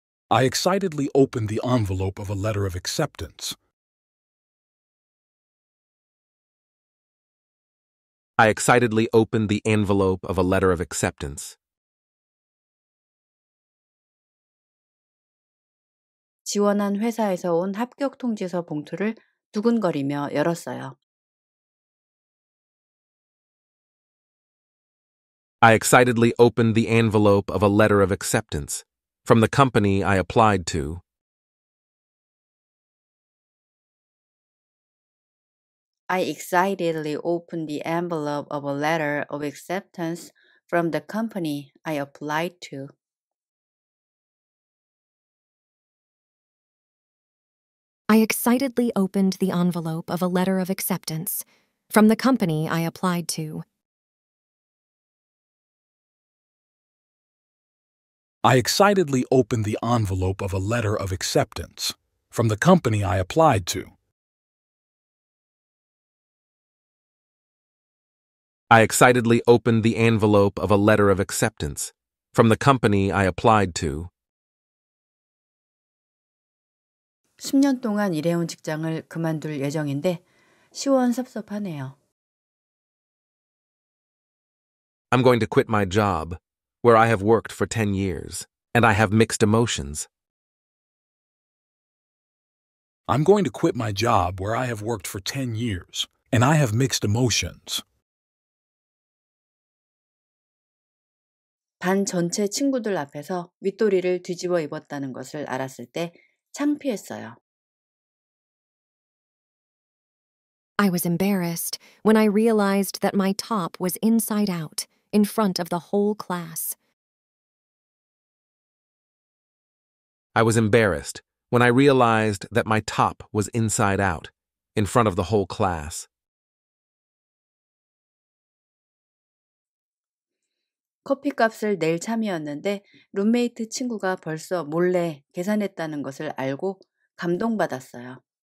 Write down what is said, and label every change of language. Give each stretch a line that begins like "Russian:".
English: I excitedly opened the envelope of a letter of acceptance. I excitedly opened the envelope of a letter of acceptance.
Korean: 지원한 회사에서 온 합격 통지서 봉투를 두근거리며 열었어요.
English: I excitedly opened the envelope of a letter of acceptance from the company I applied to. I excitedly opened the envelope of a letter of acceptance from the company I applied to. I excitedly opened the envelope of a letter of acceptance from the company I applied to. I excitedly opened the envelope of a letter of acceptance from the company I applied to. I excitedly opened the envelope of a letter of acceptance from the company I applied to.
Korean: 10년 동안 일해온 직장을 그만둘 예정인데 시원섭섭하네요.
English: I'm going to quit my job where I have worked for 10 years and I have mixed emotions. I'm going to quit my job where I have worked for 10 years and I have mixed emotions.
Korean: 반 전체 친구들 앞에서 윗도리를 뒤집어 입었다는 것을 알았을 때 창피했어요.
English: I was embarrassed when I realized that my top was inside out in front of the whole class. I was embarrassed when I realized that my top was inside out in front of the whole class.
Korean: 커피값을 낼 참이었는데 룸메이트 친구가 벌써 몰래 계산했다는 것을 알고 감동받았어요.